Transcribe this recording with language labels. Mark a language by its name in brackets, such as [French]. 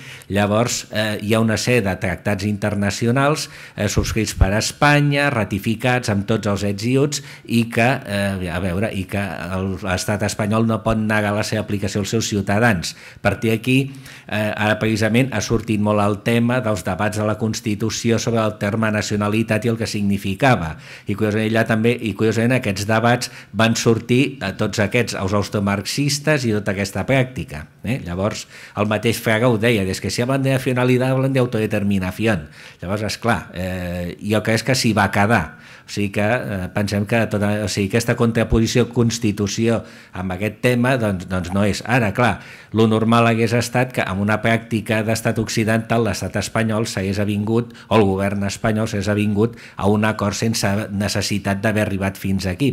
[Catalan] Llavors, hi ha una sèrie de tractats internacionals subscrits per Espanya, ratificats amb tots els ets i uts i que, a veure, i que l'Estat espanyol no pot negar la seva aplicació als seus ciutadans. A partir d'aquí, ara precisament ha sortit molt el tema dels debats de la Constitució sobre el terme nacionalitat i el que significava. I curiosament, allà també, i curiosament aquests debats van sortir a tots aquests, els austromarxistes i tota aquesta pràctica. Llavors, el mateix Fraga ho deia, des que [Spanish] si hablan de nacionalidad hablan de autodeterminación. [Catalan] Llavors, esclar, jo crec que és que s'hi va quedar. O sigui que pensem que tota, o sigui, aquesta contraposició constitució amb aquest tema doncs no és. Ara, clar, el normal hagués estat que amb una pràctica d'estat occidental l'estat espanyol s'hagués avingut, o el govern espanyol s'hagués avingut a un acord sense necessitat d'haver arribat fins aquí.